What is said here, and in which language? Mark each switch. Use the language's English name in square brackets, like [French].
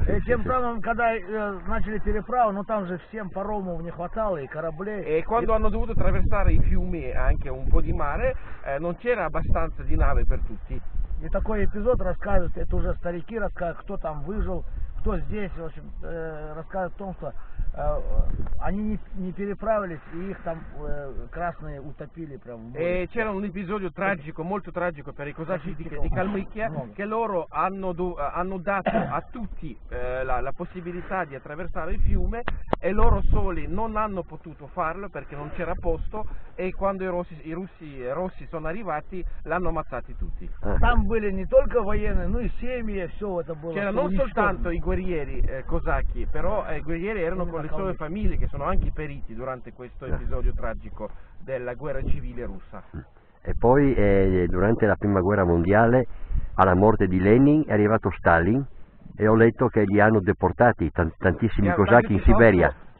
[Russian] E тем самым, когда начали переправу, ну там же всем паромов не хватало и кораблей. [Italian] E quando hanno dovuto attraversare i fiumi e anche un po' di mare, non c'era abbastanza di nave per tutti. [Russian] И такой эпизод рассказывают, это уже старики рассказывают, кто там выжил, кто здесь, в общем, рассказывают о том, что они не переправились и их там красные утопили прям. [Italian] E c'era un episodio tragico, molto tragico per i cosacchi di Kalmykia, che loro hanno dato a tutti la possibilità di attraversare il fiume e loro soli non hanno potuto farlo perché non c'era posto e quando i russi sono arrivati l'hanno ammazzati tutti. [Russian] Там были не только военные, но и семьи, и все это было. [Italian] C'era non soltanto i guerrieri cosacchi, però i guerrieri erano con le sue famiglie che sono anche periti durante questo episodio tragico della guerra civile russa. E poi durante la prima guerra mondiale, alla morte di Lenin, è arrivato Stalin e ho letto che li hanno deportati tantissimi cosacchi in Siberia.